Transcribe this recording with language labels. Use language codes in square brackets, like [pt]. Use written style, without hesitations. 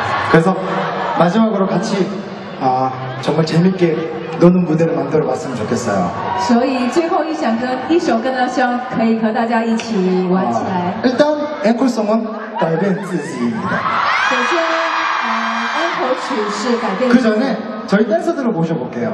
[ko] 그래서 마지막으로 같이 정말 재밌게 노는 무대를 만들어 봤으면 좋겠어요. [zh] 所以最后一首歌呢希望可以和大家一起玩起来. [ko] 일단 앵콜송은 改变自己입니다. [zh] 首先呢，安可曲是改变自己。그 [ko] 전에 저희 댄서들을 모셔볼게요.